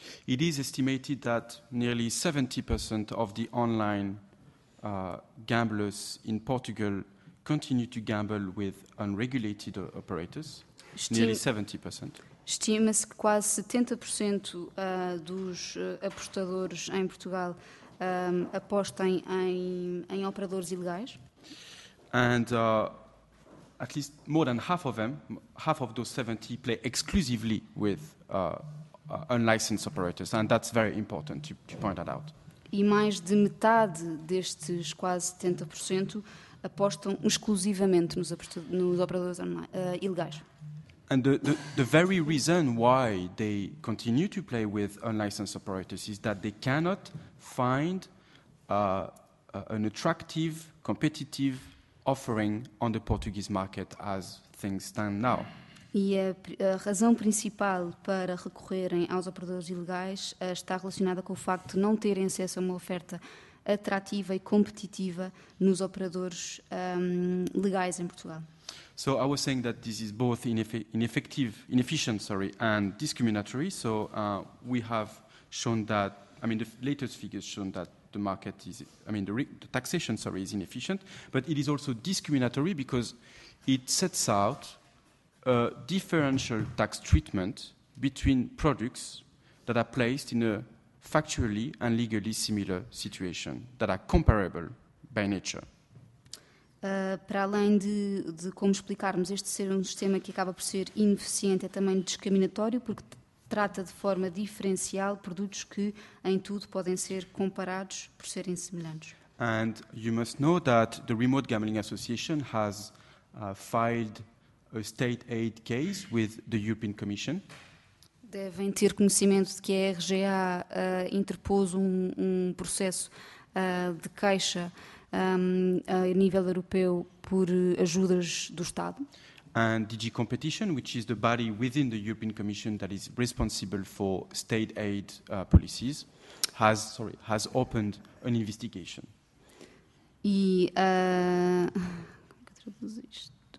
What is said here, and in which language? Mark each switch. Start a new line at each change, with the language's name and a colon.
English: It is estimated that nearly 70% of the online gamblers in Portugal continue to gamble with unregulated operators. Nearly 70%.
Portuguese: Estima-se que quase 70% dos apostadores em Portugal apostem em operadores ilegais.
English: And at least more than half of those 70 play exclusively with unlicensed operators, and that's very important to point that out.
Portuguese: E mais de metade destes quase 70% apostam exclusivamente nos operadores ilegais.
English: And the very reason why they continue to play with unlicensed operators is that they cannot find an attractive, competitive offering on the Portuguese market as things stand now.
Portuguese: E a razão principal para recorrerem aos operadores ilegais está relacionada com o facto de não terem acesso a uma oferta atrativa e competitiva nos operadores legais em Portugal.
English: So I was saying that this is both inefficient, and discriminatory. So we have shown that, the latest figures show that the market is, the taxation, is inefficient, but it is also discriminatory because it sets out a differential tax treatment between products that are placed in a factually and legally similar situation, that are comparable by nature.
Portuguese: Para além de como explicarmos este ser um sistema que acaba por ser ineficiente, é também discriminatório porque trata de forma diferencial produtos que em tudo podem ser comparados por serem semelhantes.
English: And you must know that the Remote Gambling Association has filed a state aid case with the European Commission.
Portuguese: Devem ter conhecimento de que a RGA interpôs um processo de queixa a nível europeu por ajudas do Estado.
English: And DG Competition, which is the body within the European Commission that is responsible for state aid policies, has opened an investigation.
Portuguese: E como é que traduz isto?